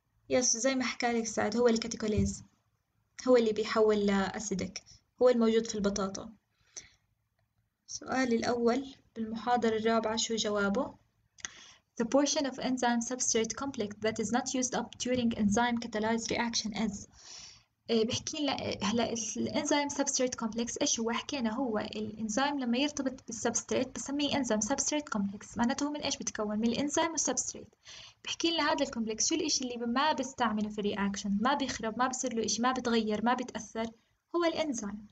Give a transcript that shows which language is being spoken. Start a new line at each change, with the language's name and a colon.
Arabic: يس زي ما حكالك سعد، هو الكاتيكوليز، هو اللي بيحول لأسيدك، هو الموجود في البطاطا. سؤال الأول بالمحاضرة الرابعة شو جوابه؟
English: The portion of enzyme substrate complex that is not used up during enzyme catalyzed reaction is.
Arabic: بحكي لنا هلا الانزيم سبستريت كومبلكس ايش هو، حكينا هو الانزيم لما يرتبط بالسبستريت بسميه انزيم سبستريت كومبلكس، معناته هو من ايش بتكون، من الانزيم والسبستريت. بحكي لنا هذا الكومبلكس شو الاشي اللي ما بيستعمله في الرياكشن، ما بيخرب، ما بصير له اشي، ما بتغير، ما بتاثر، هو الانزيم.